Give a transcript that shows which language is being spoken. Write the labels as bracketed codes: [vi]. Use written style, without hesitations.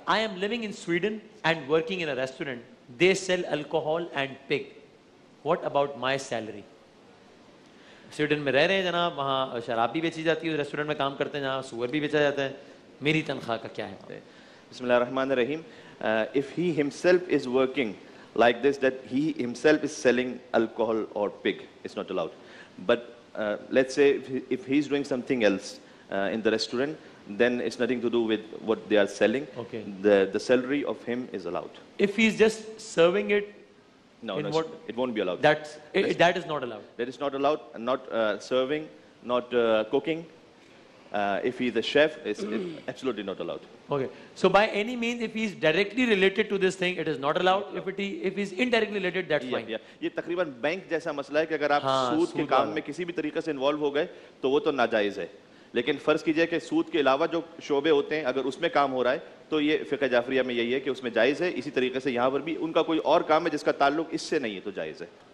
[ur] I am living in Sweden and working in a restaurant, they sell alcohol and پگ, what about my salary? Sweden میں رہ رہے ہیں جناب, وہاں شراب بھی بیچی جاتی ہے, ریسٹورینٹ میں کام کرتے ہیں جہاں سور بھی بیچا جاتا ہے, میری تنخواہ کا کیا ہے؟ [ar] بسم اللہ الرحمن الرحیم. [en] If he himself is working like this, that he himself is selling alcohol or pig, it's not allowed. But let's say if he is doing something else in the restaurant, then it's nothing to do with what they are selling. Okay. The salary of him is allowed. If he is just serving it, no, what, it won't be allowed. That is not allowed. That is not allowed. Not serving, not cooking. If he is a chef, it's absolutely not allowed. Okay. So by any means, if he is directly related to this thing, it is not allowed. If he is indirectly related, that's fine. Yeah. [ur] یہ تقریباً bank جیسا مسئلہ ہے کہ اگر آپ سود کے کام میں کسی بھی طریقے سے انوالو ہو گئے تو وہ تو ناجائز ہے, لیکن فرض کیجئے کہ سود کے علاوہ جو شعبے ہوتے ہیں اگر اس میں کام ہو رہا ہے تو یہ فقہ جعفریہ میں یہی ہے کہ اس میں جائز ہے. اسی طریقے سے یہاں پر بھی ان کا کوئی اور کام ہے جس کا تعلق اس سے نہیں ہے تو جائز ہے.